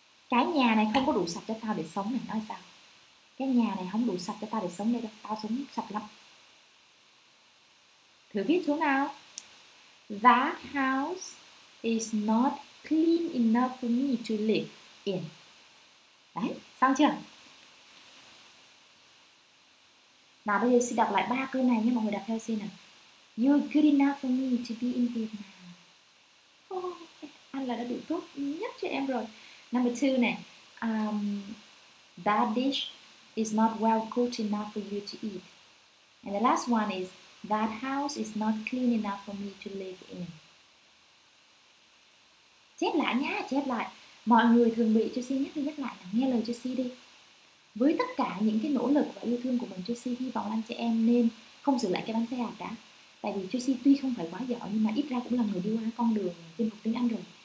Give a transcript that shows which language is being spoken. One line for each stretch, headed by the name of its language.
Vietnamese: Cái nhà này không có đủ sạch cho tao để sống này, nói sao? cái nhà này không đủ sạch cho tao để sống đây đâu, tao sống sạch lắm. Thử viết xuống nào.
English: That house is not clean enough for me to live in.
Vietnamese: Đấy, xong chưa? Nào bây giờ xin đọc lại ba câu này nhé, mọi người đọc theo xin nào.
English: You're good enough for me to be in Vietnam.
Vietnamese: Oh, anh là đã đủ tốt nhất cho em rồi. Number two này.
English: That dish is not well cooked enough for you to eat. And the last one is that house is not clean enough for me to live in.
Vietnamese: Chép lại nha, chép lại. Mọi người thường bị cho Si nhắc đi nhắc lại là nghe lời cho Si đi. Với tất cả những cái nỗ lực và yêu thương của mình, cho Si hy vọng anh chị em nên không sửa lại cái bánh xe hạt đã. Tại vì cho Si tuy không phải quá giỏi nhưng mà ít ra cũng là người đi qua con đường trên học tiếng Anh rồi.